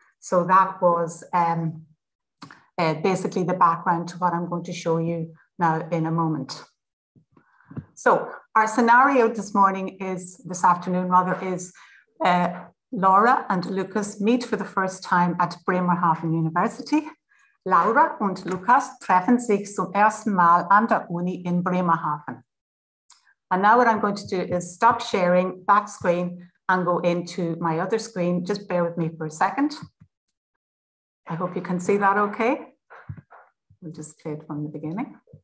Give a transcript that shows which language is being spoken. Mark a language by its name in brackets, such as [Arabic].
[English] So that was basically the background to what I'm going to show you now in a moment. So our scenario this afternoon is Laura and Lucas meet for the first time at Bremerhaven University. [German] Laura und Lukas treffen sich zum ersten Mal an der Uni in Bremerhaven. [English] And now what I'm going to do is stop sharing back screen and go into my other screen. Just bear with me for a second. I hope you can see that okay. We'll just play it from the beginning.